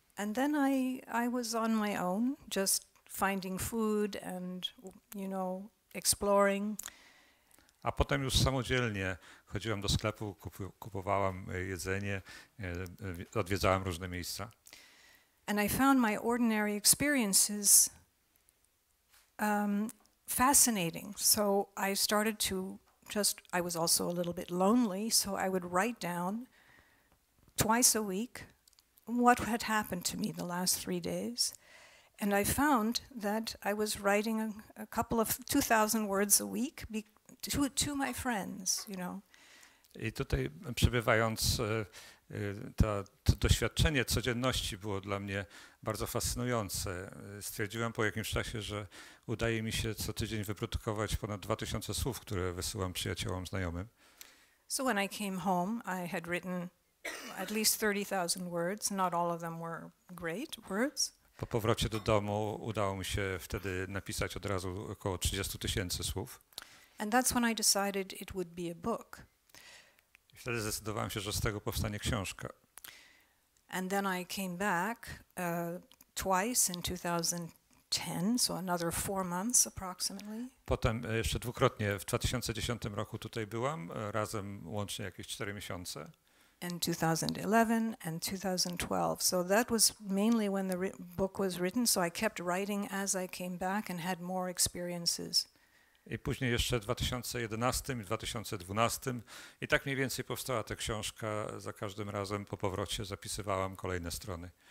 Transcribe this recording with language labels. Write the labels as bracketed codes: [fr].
[en] And then I was on my own, just finding food and, you know, exploring. [pl] A potem już samodzielnie chodziłam do sklepu, kupowałam jedzenie, odwiedzałam różne miejsca. [en] And I found my ordinary experiences fascinating. So I started to just, I was also a little bit lonely, so I would write down twice a week what had happened to me the last 3 days. And I found that I was writing a couple of 2,000 words a week to my friends, you know. [pl] I tutaj przebywając to doświadczenie codzienności było dla mnie bardzo fascynujące. Stwierdziłem po jakimś czasie, że udaje mi się co tydzień wyprodukować ponad 2,000 słów, które wysyłam przyjaciołom, znajomym. [en] So when I came home, I had written at least 30,000 words. Not all of them were great words. [pl] Po powrocie do domu udało mi się wtedy napisać od razu około 30,000 słów. [en] And that's when I decided it would be a book. [pl] I wtedy zdecydowałem się, że z tego powstanie książka. [en] And then I came back twice in 2010, so another 4 months approximately. [pl] Potem jeszcze dwukrotnie w 2010 roku tutaj byłam, razem łącznie jakieś 4 miesiące. [en] In 2011 and 2012. So that was mainly when the book was written, so I kept writing as I came back and had more experiences. [pl] I później jeszcze w 2011 i 2012 i tak mniej więcej powstała ta książka, za każdym razem po powrocie zapisywałam kolejne strony.